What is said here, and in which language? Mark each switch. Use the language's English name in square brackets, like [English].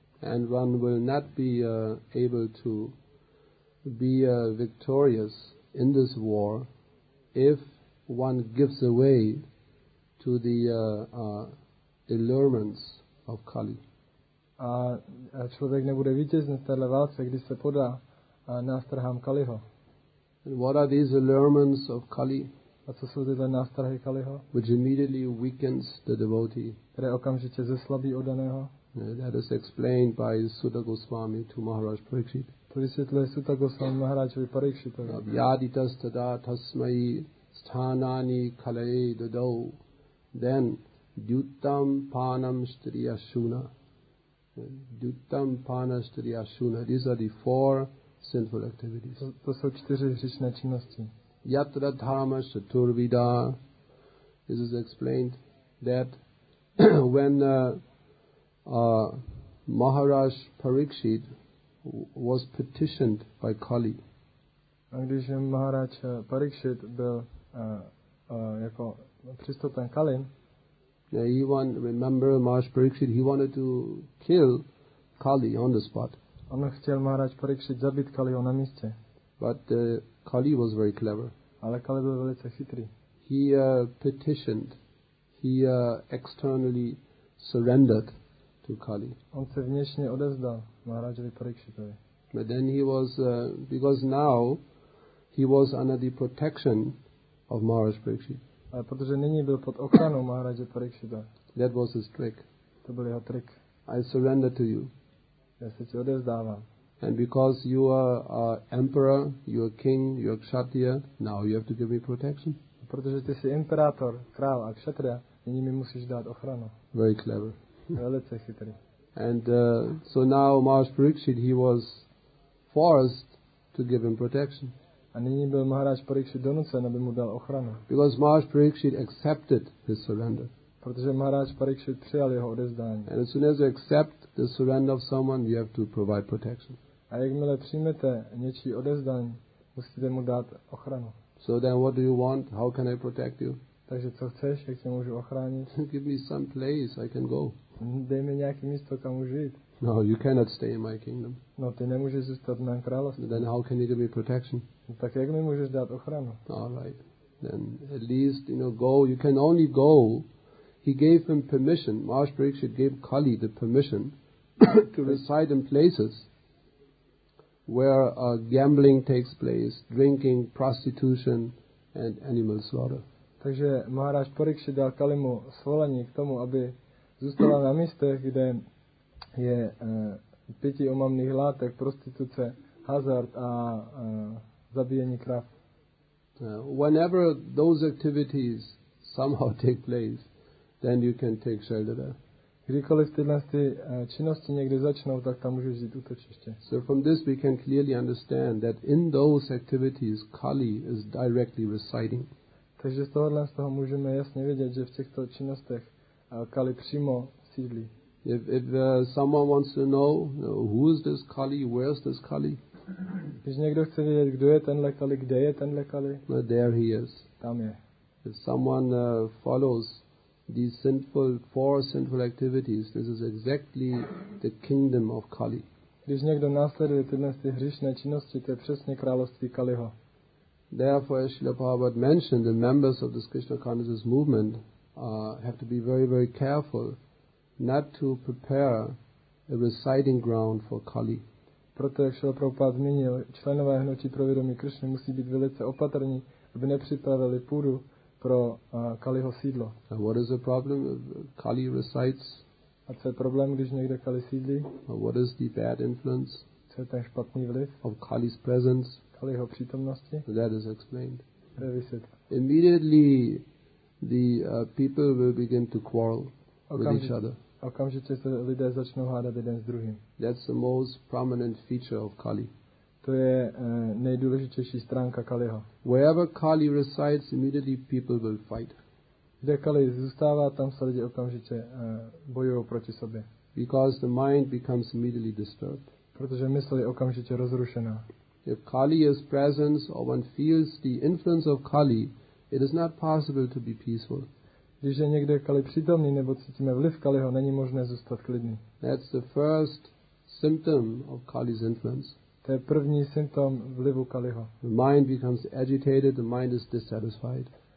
[English] And one will not be able to be victorious in this war if one gives away to the allurements of Kali. [Czech] A člověk nebude vítězný v téhle válce, když se podá nástrahám Kaliho. [English] And what are these allurements of Kali? [Czech] A co jsou tyhle nástrahy Kaliho? [English] Which immediately weakens the devotee. [Czech] Které okamžitě zeslabí odaného. [English] Yeah, that is explained by Suta Goswami to Maharaj Parikshit. [Czech] To vysvětluje Suta Goswami Maharajovi Parikshitovi. [Sanskrit] Abhyaditas tada tasmai sthanani kalai dadau. Then, dyuttam panam shtriyashuna. Dyuttam panam shtriyashuna. [English] These are the four sinful activities. [Czech] To jsou čtyři hříšné činnosti. [Sanskrit] Yatra dharma shaturvida. [English] This is explained that when Maharaj Parikshit was petitioned by Kali. [Czech] A když Maharaj Parikshit byl jako přistoupen Kali. [English] Maharaj Parikshit, he wanted to kill Kali on the spot. [Czech] On chtěl Maharaj Parikshit zabít Kaliho na místě. [English] But Kali was very clever. [Czech] Ale Kali byl velice chytrý. [English] He petitioned. He externally surrendered to Kali. [Czech] On se vnitřně odevzdal Maharajovi Parikshitovi. [English] But then he was because now he was under the protection of Maharaj Parikshit. [Czech] Ale protože nyní byl pod ochranou Maharaje Parikshita. [English] That was his trick. [Czech] To byl jeho trik. [English] I surrender to you. [Czech] Já se ti odevzdávám. [English] And because you are our emperor, you are king, you are kshatriya, now you have to give me protection. [Czech] Protože ty jsi imperátor, král a kshatriya, nyní mi musíš dát ochranu. [English] Very clever. [Czech] Velice chytrý. [English] And so now Maharaj Parikshit, he was forced to give him protection. [Czech] A nyní byl Maharaj Parikshit donucen, aby mu dal ochranu. [English] Because Maharaj Parikshit accepted his surrender. [Czech] Protože Maharaj Parikshit přijal jeho odevzdání. [English] And as soon as you accept the surrender of someone, you have to provide protection. [Czech] A jakmile přijmete něčí odevzdání, musíte mu dát ochranu. [English] So then what do you want? How can I protect you? [Czech] Takže co chceš, jak tě můžu ochránit? [English] Give me some place I can go. [Czech] Dej mi nějaké místo, kam můžu jít. [English] No, you cannot stay in my kingdom. [Czech] No, ty nemůžeš zůstat v mém království. [English] Then how can you give me protection? [Czech] Tak jak mi můžeš dát ochranu? [English] All right. Then at least, you know, go. You can only go. He gave him permission. Maharaj Parikshit gave Kali the permission to reside in places where gambling takes place, drinking, prostitution, and animal slaughter. [Czech] Takže Maharaj Parikshit dal Kalimu svolení k tomu, aby zůstala na místě, kde je pěti omamných látek, prostituce, hazard a zabíjení krav. [English] Whenever those activities somehow take place, then you can take shelter there. [Czech] Kdykoliv tyhle ty činnosti někdy začnou, tak tam můžeš jít útočiště. [English] So from this we can clearly understand that in those activities Kali is directly residing. [Czech] Takže z toho můžeme jasně vidět, že v těchto činnostech Kali přímo sídlí. [English] If someone wants to know, you know who is this Kali, where is this Kali? [Czech] Když někdo chce vědět, kdo je tenhle Kali, kde je tenhle Kali? [English] Well, there he is. [Czech] Tam je. [English] If someone follows these sinful, four sinful activities, this is exactly the kingdom of Kali. [Czech] Když někdo následuje tyhle ty hříšné činnosti, to je přesně království Kaliho. [English] Therefore, as Srila Prabhupada mentioned, the members of this Krishna consciousness movement have to be very, very careful not to prepare a residing ground for Kali. [Czech] Proto, jak Srila Prabhupada zmínil, členové hnutí pro vědomí Krishna musí být velice opatrní, aby nepřipravili půdu pro Kaliho sídlo. [English] And what is the problem? Kali resides. [Czech] A co je problém, když někde Kali sídlí? [English] And what is the bad influence? [Czech] Co je ten špatný vliv? [English] Of Kali's presence. [Czech] Kaliho přítomnosti. [English] That is explained. Revisit. Immediately, the people will begin to quarrel with each other. [Czech] Okamžitě se lidé začnou hádat jeden s druhým. [English] That's the most prominent feature of Kali. [Czech] To je nejdůležitější stránka Kaliho. [English] Wherever Kali resides, immediately people will fight. [Czech] Kde Kali zůstává, tam se lidé okamžitě bojují proti sobě. [English] Because the mind becomes immediately disturbed. [Czech] Protože mysl je okamžitě rozrušená. [English] If Kali is present or one feels the influence of Kali, it is not possible to be peaceful. [Czech] Když je někde Kali přítomný nebo cítíme vliv Kaliho, není možné zůstat klidný. [English] That's the first symptom of Kali's influence. [Czech] To je první symptom vlivu Kaliho. [English] The mind becomes agitated, the mind is dissatisfied.